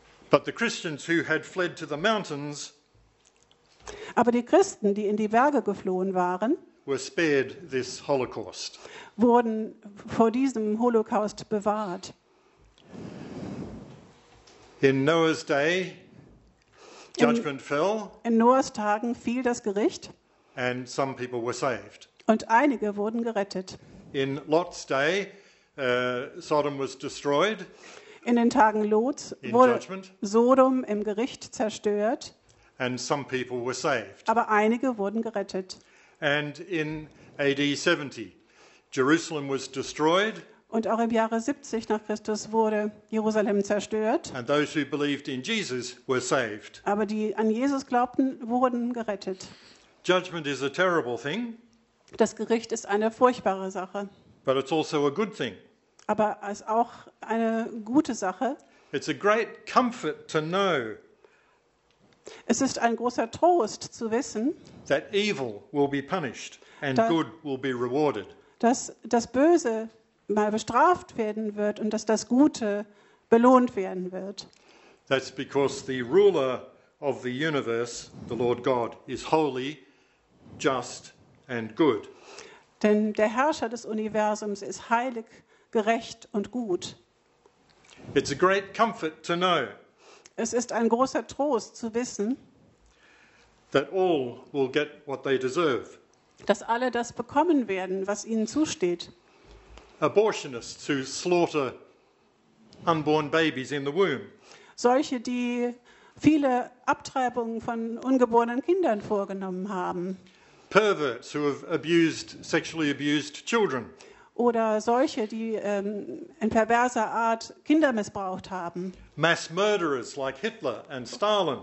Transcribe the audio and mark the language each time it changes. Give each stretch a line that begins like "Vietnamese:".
English: But the Christians who had fled to the mountains.
German: Aber die Christen, die in die Berge geflohen waren.
English: Were spared this Holocaust.
German: Wurden vor diesem Holocaust bewahrt.
English: In Noah's day, judgment fell.
German: In Noahs Tagen fiel das Gericht.
English: And some people were saved.
German: Und einige wurden gerettet.
English: In Lot's day, Sodom was destroyed.
German: In den Tagen Lots wurde judgment. Sodom im Gericht zerstört.
English: And some people were saved.
German: Aber einige wurden gerettet.
English: And in AD 70, Jerusalem was destroyed.
German: Und auch im Jahre 70 nach Christus wurde Jerusalem zerstört.
English: And those who believed in Jesus were saved.
German: Aber die an Jesus glaubten, wurden gerettet.
English: Judgment is a terrible thing.
German: Das Gericht ist eine furchtbare Sache.
English: But it's also a good thing.
German: Aber es ist auch eine gute Sache.
English: It's a great comfort to know.
German: Es ist ein großer Trost zu wissen,
English: that evil will be punished and good will be rewarded.
German: Dass das Böse mal bestraft werden wird und dass das Gute belohnt werden wird.
English: That's because the ruler of the universe, the Lord God, is holy, just and good.
German: Denn der Herrscher des Universums ist heilig, gerecht und gut.
English: It's a great comfort to know.
German: Es ist ein großer Trost zu wissen,
English: that all will get what they deserve.
German: Dass alle das bekommen werden, was ihnen zusteht.
English: Abortionists who slaughter unborn babies in the womb.
German: Solche, die viele Abtreibungen von ungeborenen Kindern vorgenommen haben.
English: perverts who have abused, sexually abused children.
German: Oder solche, die in perverser Art Kinder missbraucht haben.
English: Mass murderers like Hitler and Stalin.